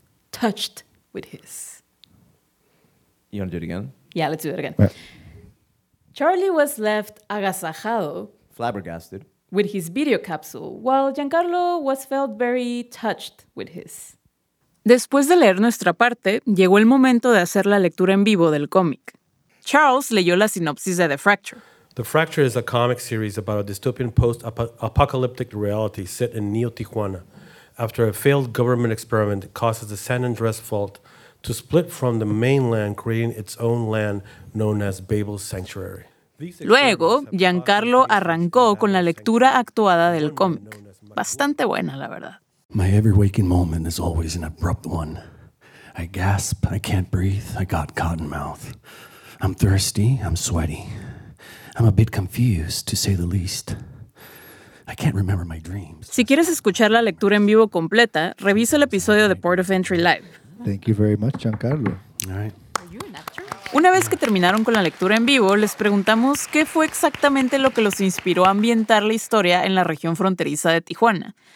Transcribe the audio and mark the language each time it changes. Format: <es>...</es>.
<en>touched with his. You want to do it again? Yeah, let's do it again. Right. Charlie was left agasajado. Flabbergasted. With his video capsule, while Giancarlo was felt very touched with his.</en> <es>Después de leer nuestra parte, llegó el momento de hacer la lectura en vivo del cómic. Charles leyó la sinopsis de The Fracture.</es> <en>The Fracture is a comic series about a dystopian post-apocalyptic reality set in Neo-Tijuana. After a failed government experiment causes the San Andreas Fault to split from the mainland, creating its own land known as Babel's Sanctuary.</en> <es>Luego, Giancarlo arrancó con la lectura actuada del cómic. Bastante buena, la verdad.</es> <en>My every waking moment is always an abrupt one. I gasp, I can't breathe, I got cotton mouth. I'm thirsty, I'm sweaty. I'm a bit confused, to say the least. I can't remember my dreams.</en> <es>Si quieres escuchar la lectura en vivo completa, revisa el episodio de Port of Entry Live.</es> <en>Thank you very much, Giancarlo. All right.</en> <es>Una vez que terminaron con la lectura en vivo, les preguntamos qué fue exactamente lo que los inspiró a ambientar la historia en la región fronteriza de Tijuana.</es>